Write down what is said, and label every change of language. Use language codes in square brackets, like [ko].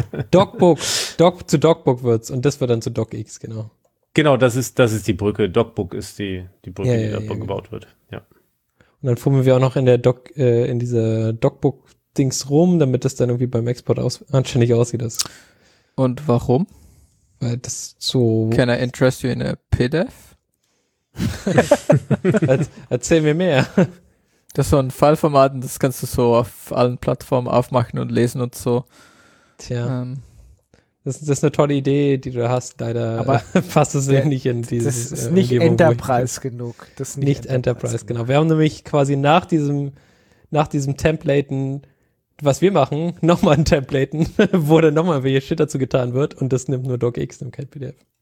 [de] DocBook. Doc zu DocBook wird's. Und das wird dann zu DocX, genau. Genau, das ist die Brücke. DocBook ist die Brücke, ja, die da gebaut wird. Ja. Und dann fummeln wir auch noch in der Doc, in dieser DocBook-Dings rum, damit das dann irgendwie beim Export anständig aussieht. Das. Und warum? Weil das so. [en] Can I interest you in a PDF? [de] Erzähl mir mehr. Das ist so ein File-Format und das kannst du so auf allen Plattformen aufmachen und lesen und so. Tja. Das ist eine tolle Idee, die du hast, leider. Aber passt es nicht in dieses. Das ist nicht Umgebung, Enterprise genug. Das ist nicht Enterprise, genau. Wir haben nämlich quasi nach diesem Templaten, was wir machen, nochmal ein Templaten, wo dann nochmal welche Shit dazu getan wird und das nimmt nur DocX, nimmt kein PDF.